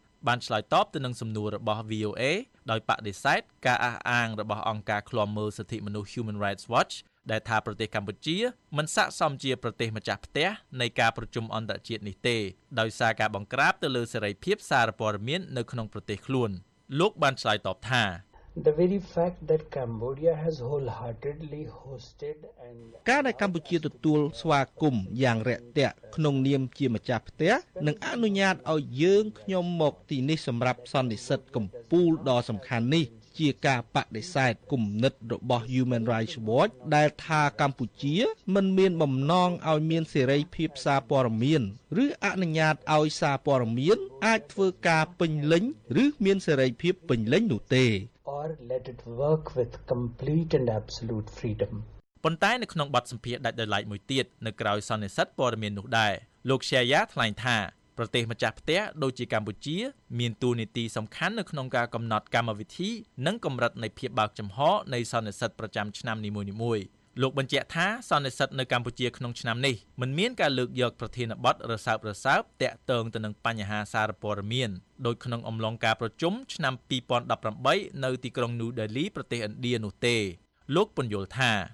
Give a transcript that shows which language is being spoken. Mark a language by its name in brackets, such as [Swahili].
[Khmer] បានឆ្លើយតបទៅនឹងសំណួររបស់ VOA ដោយបដិសេធការអះអាងរបស់អង្គការឃ្លាំមើលសិទ្ធិមនុស្ស Human Rights Watch ដែលថាប្រទេសកម្ពុជាមិនស័ក្តិសមជាប្រទេសម្ចាស់ផ្ទះនៃការប្រជុំអន្តរជាតិនេះទេដោយសារការបង្ក្រាបទៅលើសេរីភាពសារព័ត៌មាននៅក្នុងប្រទេសខ្លួនលោកបានឆ្លើយតបថា [English] The very fact that Cambodia has wholeheartedly hosted and [Khmer] ការដែលកម្ពុជាទទួលស្វាគមន៍យ៉ាងរាក់ទាក់ក្នុងនាមជាម្ចាស់ផ្ទះនិងអនុញ្ញាតឲ្យយើងខ្ញុំមកទីនេះសម្រាប់សន្និសីទកំពូលដ៏សំខាន់នេះជាការបដិសេធគំនិតរបស់ Human Rights Watch ដែលថាកម្ពុជាមិនមានបំណងឲ្យមានសេរីភាពសារព័ត៌មានឬអនុញ្ញាតឲ្យសារព័ត៌មានអាចធ្វើការពេញលេញឬមានសេរីភាពពេញលេញនោះទេ [English] or let it work with complete and absolute freedom [Khmer] ប៉ុន្តែនៅក្នុងបទសម្ភាសន៍ដាច់ដោយឡែកមួយទៀតនៅក្រៅសន្និសីទព័ត៌មាននោះដែរលោកឈៀយ៉ាថ្លែងថាប្រទេសម្ចាស់ផ្ទះដូចជាកម្ពុជាមានតួនាទីសំខាន់នៅក្នុងការកំណត់កម្មវិធីនិងកម្រិតនៃភាពបើកចំហនៃសន្និសីទប្រចាំឆ្នាំនីមួយៗលោកបញ្ជាក់ថាសន្និសីទនៅកម្ពុជាក្នុងឆ្នាំនេះមិនមានការលើកយកប្រធានបទរសើបរសើបតាក់ទងទៅនឹងបញ្ហាសារព័ត៌មានដោយក្នុងអំឡុងការប្រជុំឆ្នាំ2018នៅទីក្រុងញូដេលីប្រទេសឥណ្ឌានោះទេលោកពន្យល់ថា